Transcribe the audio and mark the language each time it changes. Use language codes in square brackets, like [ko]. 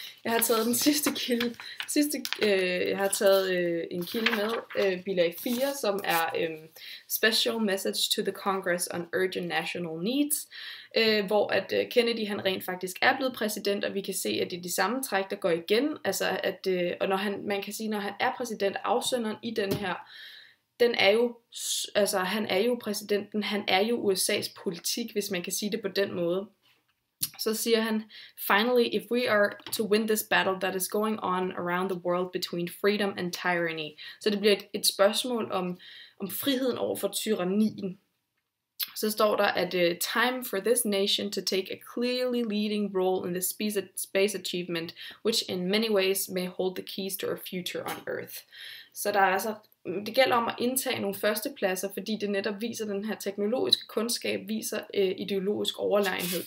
[da] Jeg har taget den sidste kilde, en kilde med, bilag 4, som er Special Message to the Congress on Urgent National Needs, hvor at Kennedy han rent faktisk er blevet præsident, og vi kan se, at det er de samme træk, der går igen. Altså at, og når han, man kan sige, når han er præsident, afsenderen i den her, den er jo, altså han er jo præsidenten, han er jo USA's politik, hvis man kan sige det på den måde. Så siger han, [en] finally, if we are to win this battle that is going on around the world between freedom and tyranny. [da] Så det bliver et spørgsmål om friheden over for tyrannien. Så står der, at [en] time for this nation to take a clearly leading role in the space achievement, which in many ways may hold the keys to our future on Earth. [da] Så der er altså, det gælder om at indtage nogle førstepladser, fordi det netop viser den her teknologiske kundskab, viser ideologisk overlegenhed.